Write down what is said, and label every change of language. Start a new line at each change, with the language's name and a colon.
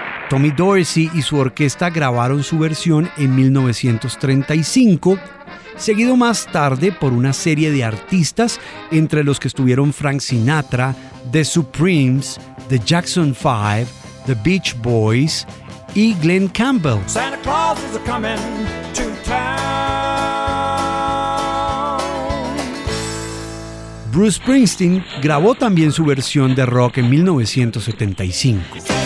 Spanish: Tommy Dorsey y su orquesta grabaron su versión en 1935, seguido más tarde por una serie de artistas, entre los que estuvieron Frank Sinatra, The Supremes, The Jackson 5, The Beach Boys y Glen Campbell.
English: Santa Claus is coming to town.
Spanish: Bruce Springsteen grabó también su versión de rock en 1975.